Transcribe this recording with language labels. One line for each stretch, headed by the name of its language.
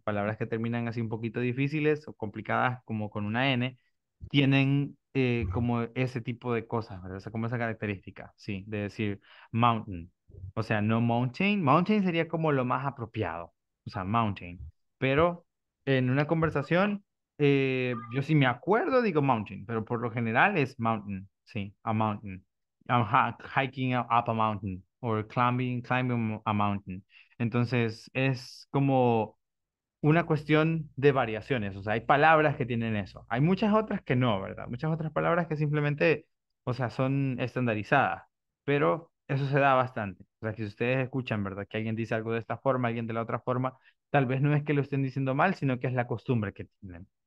Spanish: Palabras que terminan así un poquito difíciles o complicadas, como con una N, tienen como ese tipo de cosas, ¿verdad? O sea, como esa característica, sí, de decir mountain. O sea, no mountain. Mountain sería como lo más apropiado, o sea, mountain. Pero en una conversación... yo sí me acuerdo, digo mountain, pero por lo general es mountain, sí, a mountain.
English: I'm hiking up a mountain, or climbing a mountain.
Spanish: Entonces, es como una cuestión de variaciones, o sea, hay palabras que tienen eso. Hay muchas otras que no, ¿verdad? Muchas otras palabras que simplemente, o sea, son estandarizadas, pero eso se da bastante. O sea, que si ustedes escuchan, ¿verdad? Que alguien dice algo de esta forma, alguien de la otra forma, tal vez no es que lo estén diciendo mal, sino que es la costumbre que tienen.